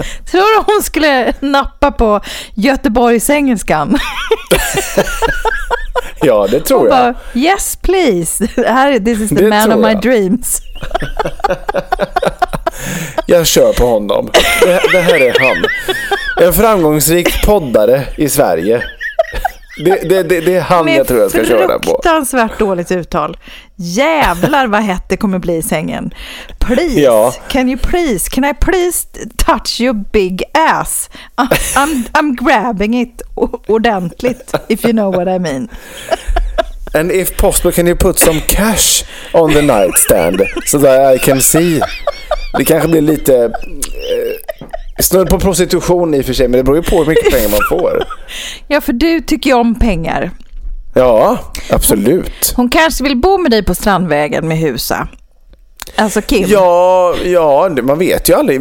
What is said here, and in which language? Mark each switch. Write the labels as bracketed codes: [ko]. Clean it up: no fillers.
[sv] Tror du hon skulle nappa på Göteborgsengelskan? Ja, det tror jag. [en] Yes, please. This is the man of my dreams. [sv] Jag kör på honom. Det här är han. En framgångsrik poddare i Sverige. Det är han jag tror jag ska köra på. Med fruktansvärt dåligt uttal. Jävlar vad hett det kommer bli i sängen. [en] Please, [sv] ja. [en] Can I please touch your big ass? I'm grabbing it [sv] ordentligt, [en] if you know what I mean. And if possible, can you put some cash on the nightstand so that I can see? [sv] Det kanske blir lite... snurr på prostitution i och för sig, men det beror ju på hur mycket pengar man får. Ja, för du tycker ju om pengar. Ja, absolut. Hon kanske vill bo med dig på Strandvägen med husa. Alltså Kim. Ja, man vet ju aldrig.